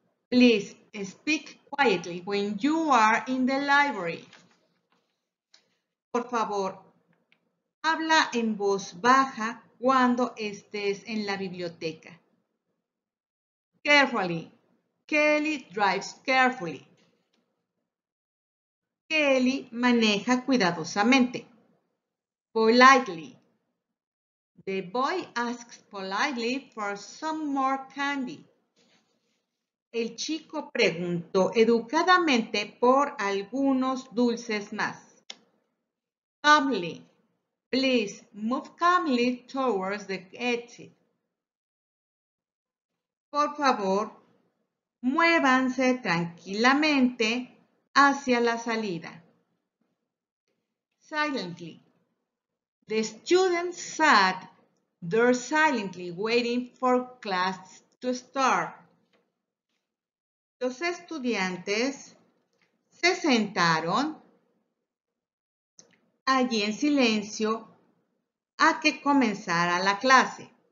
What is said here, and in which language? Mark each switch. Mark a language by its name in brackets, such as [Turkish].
[English] Please speak quietly when you are in the library. [Spanish] Por favor, habla en voz baja cuando estés en la biblioteca. [English] Carefully. Kelly drives carefully. [Spanish] Kelly maneja cuidadosamente. Politely. [English] The boy asks politely for some more candy. [Spanish] El chico preguntó educadamente por algunos dulces más. [English] Calmly. Please move calmly towards the exit. [Spanish] Por favor, muévanse tranquilamente hacia la salida. Silently. [English] The student sat there silently waiting for class to start. [Spanish] Los estudiantes se sentaron allí en silencio a que comenzara la clase.